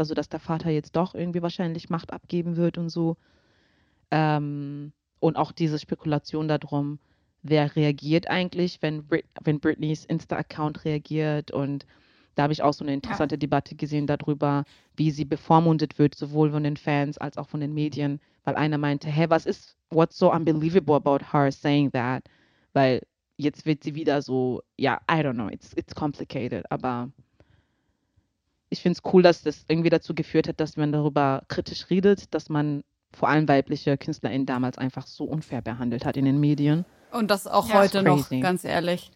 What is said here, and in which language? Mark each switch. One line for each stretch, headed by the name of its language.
German: Also dass der Vater jetzt doch irgendwie wahrscheinlich Macht abgeben wird und so. Und auch diese Spekulation darum, wer reagiert eigentlich, wenn Britneys Insta-Account reagiert. Und da habe ich auch so eine interessante Debatte gesehen darüber, wie sie bevormundet wird, sowohl von den Fans als auch von den Medien. Weil einer meinte,
English: hey, what's so unbelievable about her saying that?
German: Weil jetzt wird sie wieder so,
English: I don't know, it's complicated.
German: Aber ich finde es cool, dass das irgendwie dazu geführt hat, dass man darüber kritisch redet, dass man vor allem weibliche KünstlerInnen damals einfach so unfair behandelt hat in den Medien. Und das auch heute noch, ganz ehrlich.